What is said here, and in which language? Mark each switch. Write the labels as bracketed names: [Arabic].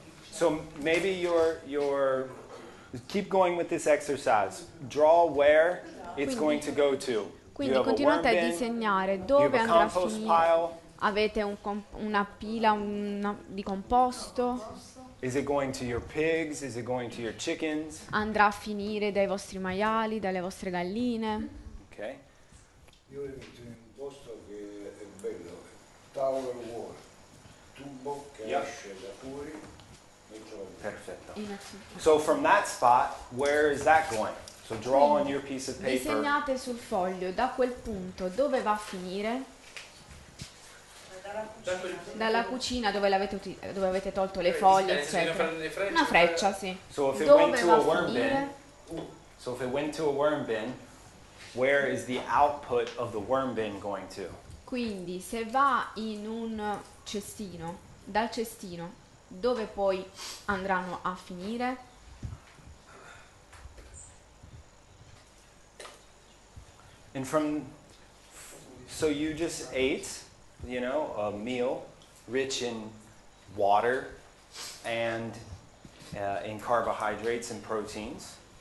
[English] So maybe you're keep going with this exercise. Draw where it's going to go to. [Italian] Quindi continuate a disegnare dove andrà a finire. Avete una pila di composto? [English] Is it going to your pigs? Is it going to your chickens? [Italian] Andrà a finire dai vostri maiali, dalle vostre galline? Ok. Io le metto in un posto che è bello. [English] Tower wall. [Italian] Tubo che esce da fuori. Perfetto. [English] So from that spot, where is that going? So draw on your piece of paper. [Italian] Disegnate sul foglio, da quel punto dove va a finire? Dalla cucina dove avete tolto le foglie, eccetera. Una freccia, sì. [English] So if it went to a worm bin. So if it went to a worm bin, where is the output of the worm bin going to? [Italian] Quindi, se va in un cestino, dal cestino, dove poi andranno a finire? [English] And from, so you just ate, you know, a meal rich in water and in carbohydrates and proteins.